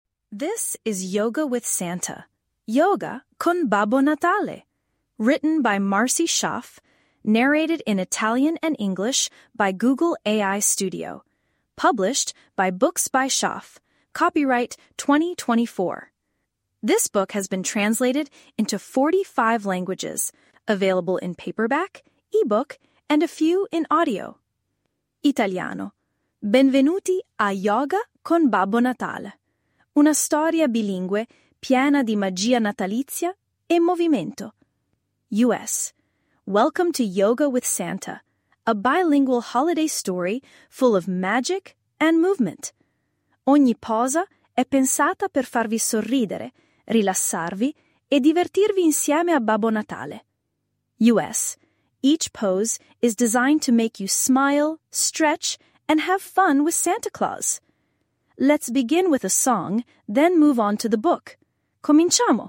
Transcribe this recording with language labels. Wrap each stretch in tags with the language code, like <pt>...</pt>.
<en>This is Yoga with Santa, Yoga con Babbo Natale, written by Marcy Schaff, narrated in Italian and English by Google AI Studio, published by Books by Schaff, copyright 2024. This book has been translated into 45 languages, available in paperback, ebook, and a few in audio.</en> <it>Italiano. Benvenuti a Yoga con Babbo Natale. Una storia bilingue piena di magia natalizia e movimento.</it> <en>U.S. Welcome to Yoga with Santa, a bilingual holiday story full of magic and movement.</en> <it>Ogni posa è pensata per farvi sorridere, rilassarvi e divertirvi insieme a Babbo Natale.</it> <en>U.S. Each pose is designed to make you smile, stretch, and have fun with Santa Claus. Let's begin with a song, then move on to the book.</en> <it>Cominciamo!</it>